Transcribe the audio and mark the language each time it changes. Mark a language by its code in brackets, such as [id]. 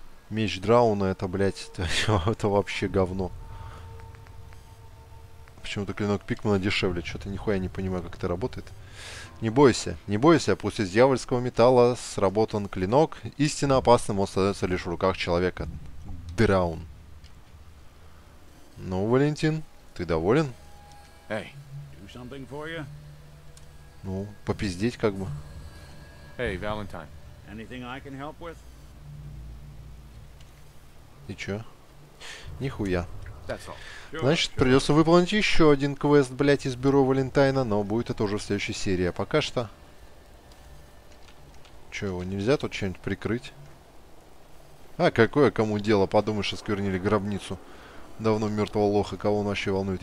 [ru] Меч Драуна, это, блядь, это вообще говно. Почему-то клинок Пикмана дешевле, что-то нихуя не понимаю, как это работает. Не бойся, не бойся, пусть из дьявольского металла сработан клинок. Истинно опасным он становится лишь в руках человека. Драун. Ну, Валентин, ты доволен? Эй, [en] do something for you? [ru] Ну, попиздеть как бы. Эй, Валентин, [en] anything I can help with? [ru] И чё? Нихуя. Значит, придется выполнить еще один квест, блять, из бюро Валентайна, но будет это уже в следующей серии. А пока что... Чё, его нельзя тут чем-нибудь прикрыть? А какое кому дело? Подумаешь, осквернили гробницу давно мертвого лоха. Кого он вообще волнует?